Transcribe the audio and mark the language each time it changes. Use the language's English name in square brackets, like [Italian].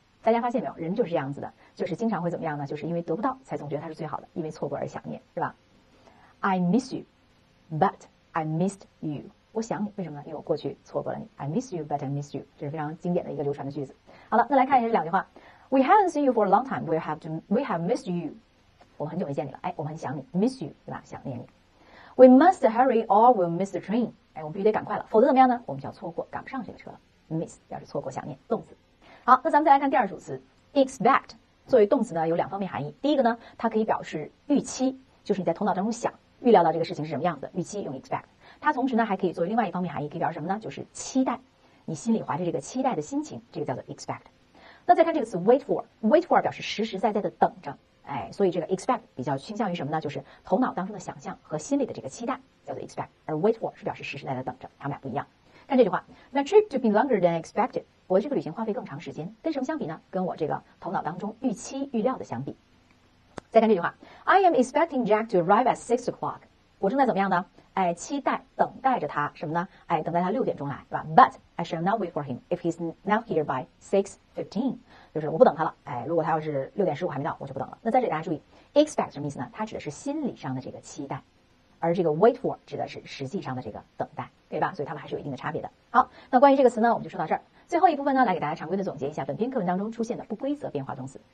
[Chinese] 大家发现没有，人就是这样子的，就是经常会怎么样呢？就是因为得不到才总觉得它是最好的，因为错过而想念，是吧 ？ [English] I miss you, but I missed you。 [Chinese] 我想你，为什么呢？因为我过去错过了你。 [English] I miss you, but I missed you。 [Chinese] 这是非常经典的一个流传的句子。好了，那来看一下这两句话。 [English] We haven't seen you for a long time. We have missed you. [Chinese] 我们很久没见你了。哎，我们很想你。 [English] Miss you, [Chinese] 对吧？想念你。 [English] We must hurry or we'll miss the train. [Chinese] 哎，我们必须得赶快了，否则怎么样呢？我们就要错过，赶不上这个车了。Miss 表示错过、想念，动词。好，那咱们再来看第二组词 ，expect 作为动词呢，有两方面含义。第一个呢，它可以表示预期，就是你在头脑当中想，预料到这个事情是什么样子，预期用 expect。它同时呢，还可以作为另外一方面含义，可以表示什么呢？就是期待，你心里怀着这个期待的心情，这个叫做 expect。那再看这个词 wait for 表示实实在在的等着，哎，所以这个 expect 比较倾向于什么呢？就是头脑当中的想象和心里的这个期待叫做 expect， 而 wait for 是表示实实在在等着，他们俩不一样。看这句话， [English] My trip to be longer than expected， [Chinese] 我这个旅行花费更长时间，跟什么相比呢？跟我这个头脑当中预期预料的相比。再看这句话， [English] I am expecting Jack to arrive at 6 o'clock， [Chinese] 我正在怎么样呢？哎，期待等待着他什么呢？哎，等待他6点钟来，对吧 ？ [English] But I shall not wait for him if he's not here by 6:15。 [Chinese] 就是我不等他了。哎，如果他要是6:15还没到，我就不等了。那在这里大家注意 ，expect 什么意思呢？它指的是心理上的这个期待，而这个 wait for 指的是实际上的这个等待，对吧？所以它们还是有一定的差别的。好，那关于这个词呢，我们就说到这儿。最后一部分呢，来给大家常规的总结一下本篇课文当中出现的不规则变化动词。